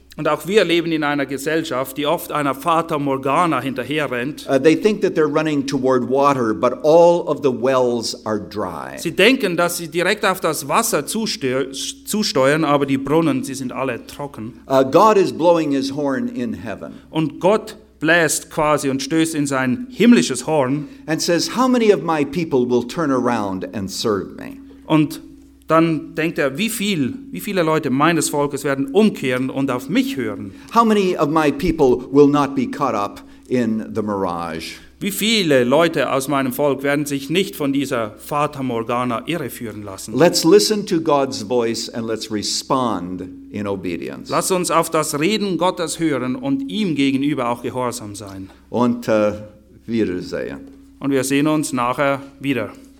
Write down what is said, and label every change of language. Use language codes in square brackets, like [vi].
[de] Und auch wir leben in einer Gesellschaft, die oft einer Fata Morgana hinterher rennt. [en] They think that they're running toward water, but all of the wells are dry. [de] Sie denken, dass sie direkt auf das Wasser zusteuern, aber die Brunnen, sie sind alle trocken. [en] God is blowing his horn in heaven. [de] Und Gott bläst quasi und stößt in sein himmlisches Horn. [en] And says, how many of my people will turn around and serve me? [de] Und dann denkt er, wie viele Leute meines Volkes werden umkehren und auf mich hören? [en] How many of my people will not be caught up in the mirage? [de] Wie viele Leute aus meinem Volk werden sich nicht von dieser Fata Morgana irreführen lassen? [en] Let's listen to God's voice and let's respond in obedience. [de] Lass uns auf das Reden Gottes hören und ihm gegenüber auch gehorsam sein. Und wiedersehen. Und wir sehen uns nachher wieder.